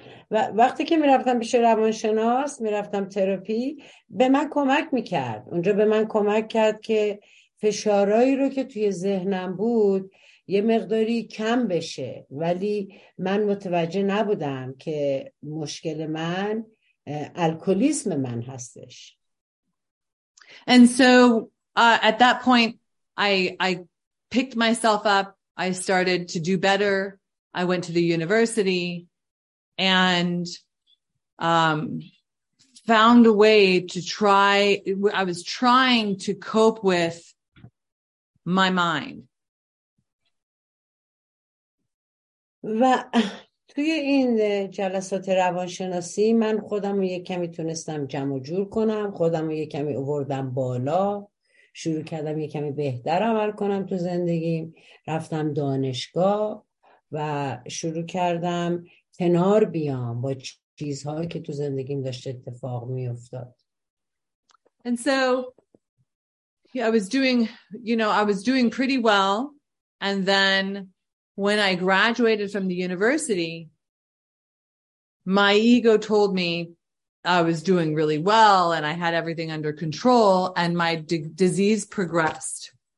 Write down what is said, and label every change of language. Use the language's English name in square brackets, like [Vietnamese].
[Persian] و وقتی که میرفتم پیش روانشناس، میرفتم تراپی، به من کمک میکرد. اونجا به من کمک کرد که فشارایی رو که توی ذهنم بود یه مقداری کم بشه، ولی من متوجه نبودم که مشکل من الکلیسم من هستش. [English] And so at that point I picked myself up. I started to do better. I went to the university and found a way to try. I was trying to cope with my mind. [Persian] و توی این جلسات روانشناسی من خودم رو یک کمی تونستم جمع و جور کنم، خودم رو یک کمی آوردم بالا، شروع کردم یک کمی بهتر عمل کنم تو زندگیم، رفتم دانشگاه و شروع کردم کنار بیام با چیزهایی که تو زندگیم داشت اتفاق می افتاد. [English] And so I was doing pretty well, and then when I graduated from the university, my ego told me I was doing really well and I had everything under control, and my disease progressed.